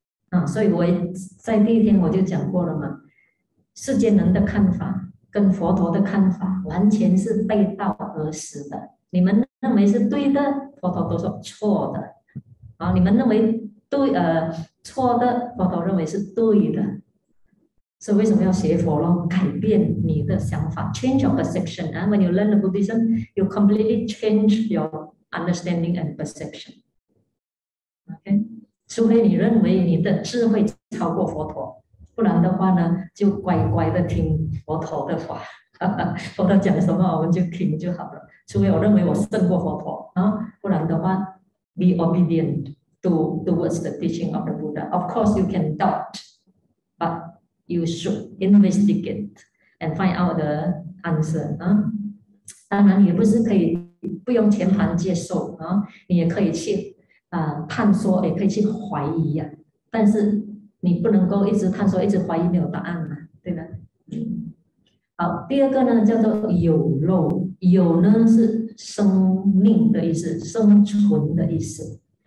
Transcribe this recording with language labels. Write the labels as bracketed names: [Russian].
[Chinese] 啊，所以我在第一天我就讲过了嘛，世间人的看法跟佛陀的看法完全是背道而驰的。你们认为是对的，佛陀都说错的；啊，你们认为对，错的，佛陀认为是对的。所以为什么要学佛咯？改变你的想法， [English] change your perception. And when you learn the Buddhism, you completely change your understanding and perception. OK. [Chinese] 除非你认为你的智慧超过佛陀，不然的话呢，就乖乖的听佛陀的话，佛陀讲什么我们就听就好了。除非我认为我胜过佛陀啊，不然的话， [English] be obedient to towards the teaching of the Buddha. Of course, you can doubt, but you should investigate and find out the answer 啊。 [Chinese] 当然，也不是可以不用全盘接受啊，你也可以去。探索也可以去怀疑呀、啊，但是你不能够一直探索，一直怀疑，没有答案嘛，对吧？好，第二个呢叫做有漏，有呢是生命的意思，生存的意思。